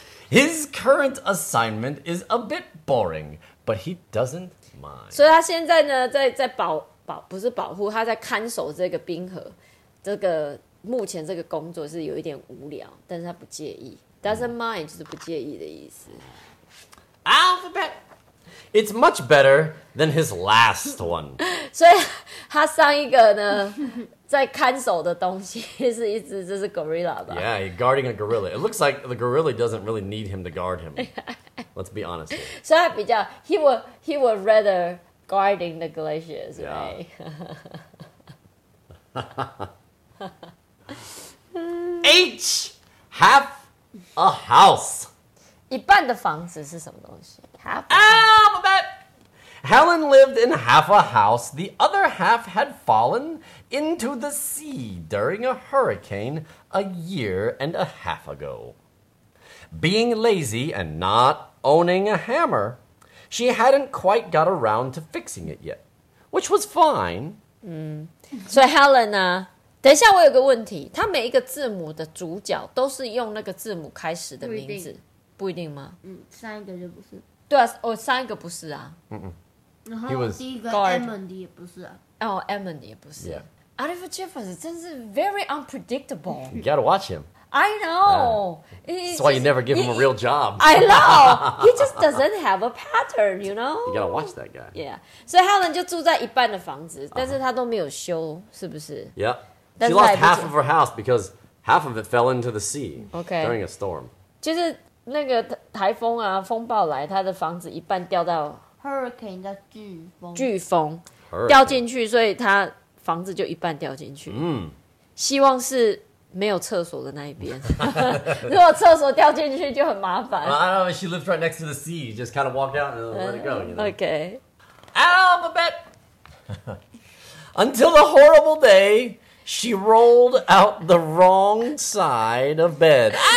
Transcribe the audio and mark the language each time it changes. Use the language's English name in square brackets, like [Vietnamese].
[English] His current assignment is a bit boring. But he doesn't mind. [Chinese] 所以他现在呢在保不是保护他在看守这个冰河。这个目前这个工作是有一点无聊，但是他不介意。 [English] Doesn't mind [Chinese] 就是不介意的意思。 [English] Alphabet, it's much better than his last one. [Chinese] 所以他上一个呢，在看守的东西是一只就是 gorilla 吧。 [English] Yeah, he's guarding a gorilla. It looks like the gorilla doesn't really need him to guard him. Let's be honest. [Chinese] 所以他比较 [English] he would rather guarding the glaciers, yeah. right? H, half a house. [Chinese] 一半的房子是什么东西 [English] Half a house. Helen lived in half a house. The other half had fallen into the sea during a hurricane a year and a half ago. Being lazy and not owning a hammer, she hadn't quite got around to fixing it yet, which was fine. [Chinese] 所以 Helen 呢、啊等一下，我有个问题，他每一个字母的主角都是用那个字母开始的名字，不一定吗？嗯，上一个就不是。对啊，哦，上一个不是啊。嗯嗯。然后第一个 Edmund 也不是啊。哦 ，Edmund 也不是。 [English] Yeah. Oliver Jefferson [Chinese] 真是 [English] very unpredictable. You gotta watch him. I know.、 That's why you never give him a real job. I know. He just doesn't have a pattern, you know. You gotta watch that guy. Yeah. [Chinese] 所以 Helen 就住在一半的房子，但是他都没有修，是不是 [English] ？Yeah. She lost half of her house because half of it fell into the sea、 okay. during a storm. [Chinese] 就是那个台风啊，风暴来，她的房子一半掉到 hurricane 叫飓风，飓风、 [English] hurricane. [Chinese] 掉进去，所以她房子就一半掉进去。嗯、mm. ，希望是没有厕所的那一边。如果厕所掉进去就很麻烦。 [English] Well, I don't know. She lives right next to the sea. Just kind of walk out and let it go. You know. Okay. Alphabet. Until the horrible day. She rolled out the wrong side of bed.